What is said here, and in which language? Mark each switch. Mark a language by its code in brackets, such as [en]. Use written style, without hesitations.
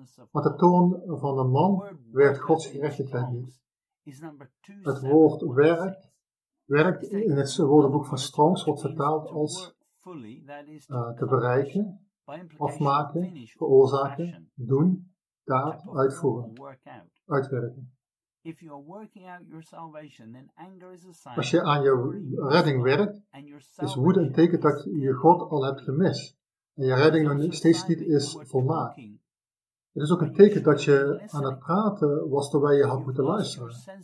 [nl] Want de toorn van een man werd Gods gerechtigheid niet. Het woord werk in het woordenboek van Strongs wordt vertaald als te bereiken, afmaken, veroorzaken, doen, daad, uitvoeren, uitwerken. [en] If you are working out your salvation, then anger is a sign. [nl] Als je aan je redding werkt, is woede een teken dat je God al hebt gemist. En je redding nog steeds niet is volmaakt. Het is ook een teken dat je aan het praten was terwijl je had moeten luisteren.